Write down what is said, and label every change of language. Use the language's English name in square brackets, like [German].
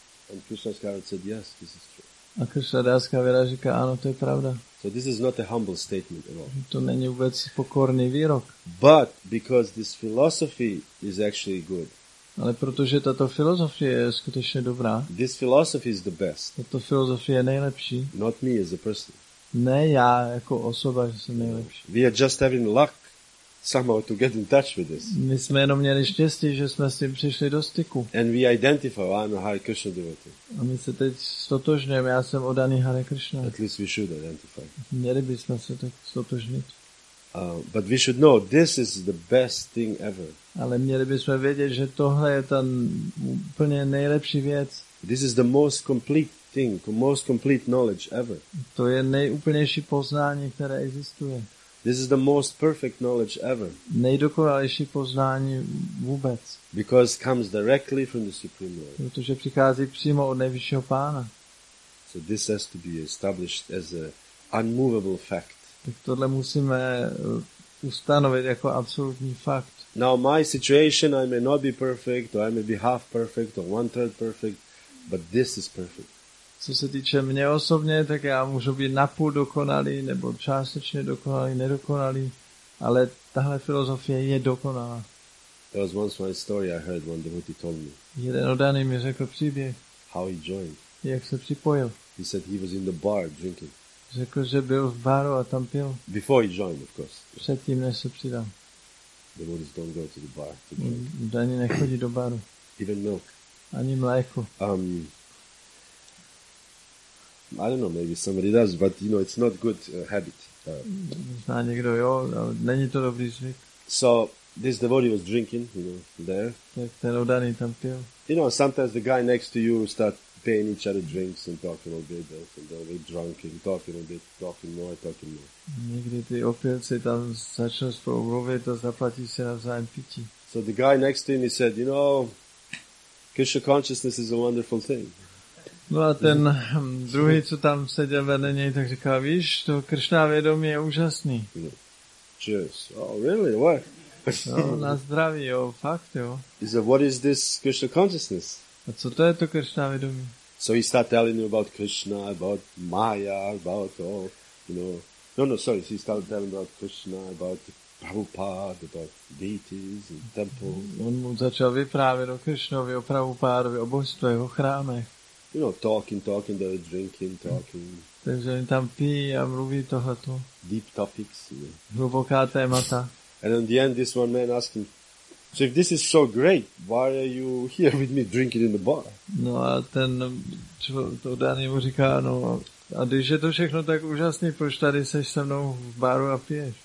[English] And Krishna's Kaviraj said, yes, this is true. [Czech] A Krishna Das Kaviraj říká, ano, to je pravda. [English] So this is not a humble statement at all. [Czech] To není vůbec pokorný výrok. [English] But because this philosophy is actually good. [Czech] Ale protože tato filozofie je skutečně dobrá. [English] This philosophy is the best. [Czech] Tato filozofie je nejlepší. [English] Not me as a person. [Czech] Ne já jako osoba, že jsem nejlepší. [English] We are just having luck somehow to get in touch with this. [Czech] My jsme jenom měli štěstí, že jsme s tím přišli do styku. [English] And we identify, I'm a Hare Krishna devotee. [Czech] A my se teď stotožňujeme, já jsem oddaný Hare Krishna. [English] At least we should identify. [Czech] Měli bychom se tak stotožnit. [English] But we should know this is the best thing ever. [Czech] Ale měli bychom vědět, že tohle je ta úplně nejlepší věc. [English] This is the most complete thing, the most complete knowledge ever. [Czech] To je nejúplnější poznání, které existuje. [English] This is the most perfect knowledge ever. [Czech] Nejdokonalejší poznání vůbec. [English] Because it comes directly from the Supreme Lord. [Czech] Protože přichází přímo od nejvyššího pána. [English] So this has to be established as an unmovable fact. [Czech] Tak tohle musíme ustanovit jako absolutní fakt. [English] Now my situation, I may not be perfect, or I may be half perfect, or one third perfect, but this is perfect. [Czech] Co se týče mě osobně, tak já můžu být napůl dokonalý, nebo částečně dokonalý, nedokonalý, ale tahle filozofie je dokonalá. [English] There was once my story I heard one devotee told me. [Czech] Jeden oddaný mi řekl příběh. [English] How he joined. [Czech] Jak se připojil. [English] He said he was in the bar drinking. [Czech] Řekl, že byl v baru a tam pil. [English] Before he joined, of course. [Czech] Předtím, než se přidal. [English] The Buddhists don't go to the bar. [Czech] Dani nechodí do baru. [English] Even milk. [Czech] Ani mléko. [English] I don't know, maybe somebody does, but you know, it's not good habit. [Czech] Zná někdo, jo, ale není to dobrý zvyk. [English] So, this devotee was drinking, you know, there. [Czech] Tak ten oddaný tam pil. [English] You know, sometimes the guy next to you start paying each other drinks and talking a little bit, and they'll get drunk and talking a bit, talking more. [Czech] Někdy ty opilci tam začnou spolu mluvit a zaplatí se navzájem pití. [English] So the guy next to him, he said, you know, Krishna consciousness is a wonderful thing. [Czech] No a ten druhý, co tam seděl vedle něj, tak říká, víš, to Krishna vědomí je úžasný. [English] Yeah. Cheers. Oh, really? What? [Czech] No, na zdraví, jo, fakt, jo. [English] He said, what is this Krishna consciousness? [Czech] A co to je to Krishna vědomí? [English] So he started telling you about Krishna, about Maya, about all, you know. He started telling about Krishna, about Prabhupada, about deities and temples. [Czech] On mu začal vyprávět o Krishnovi, o Prabhupádovi, o božstvech, o chrámech. [English] You know, talking, they're drinking, talking. [Czech] Takže oni tam pijí a mluví tohleto. [English] Deep topics, you know. [Czech] Hluboká témata. [English] And in the end, this one man asked him, so if this is so great, why are you here with me drinking in the bar? [Czech] No a ten, to Dani mu říká, no, a když je to všechno tak úžasný, proč tady seš se mnou v baru a piješ?